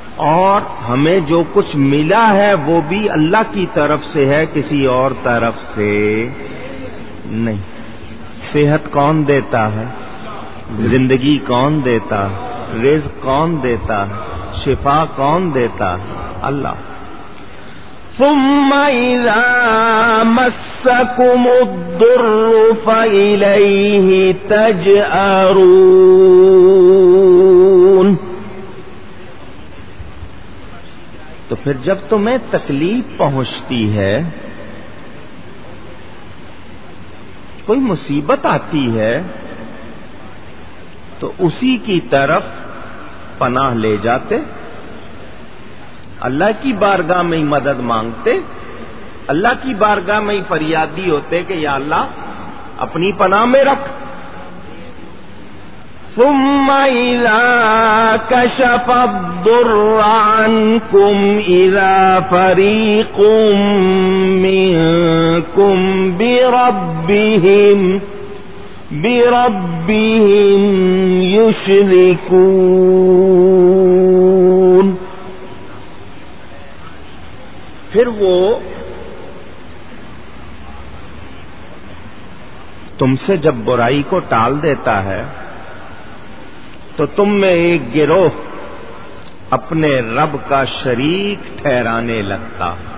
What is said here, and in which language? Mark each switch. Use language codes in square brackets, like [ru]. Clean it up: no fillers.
[ur] اور ہمیں جو کچھ ملا ہے وہ بھی اللہ کی طرف سے ہے، کسی اور طرف سے نہیں. صحت کون دیتا ہے؟ زندگی کون دیتا ہے؟ رزق کون دیتا ہے؟ شفا کون دیتا ہے؟ اللہ. [ar] ثم إذا مسكم الضر فإليه تجأرون. [ur] تو پھر جب تمہیں تکلیف پہنچتی ہے، کوئی مصیبت آتی ہے، تو اسی کی طرف پناہ لے جاتے، اللہ کی بارگاہ میں ہی مدد مانگتے، اللہ کی بارگاہ میں ہی فریادی ہوتے کہ یا اللہ اپنی پناہ میں رکھ. [ar] ثم اذا کشف الضر عنکم اذا فریق منکم بربهم یشرکون. [ur] پھر وہ تم سے جب برائی کو ٹال دیتا ہے، تو تم میں ایک گروہ اپنے رب کا شریک ٹھہرانے لگتا.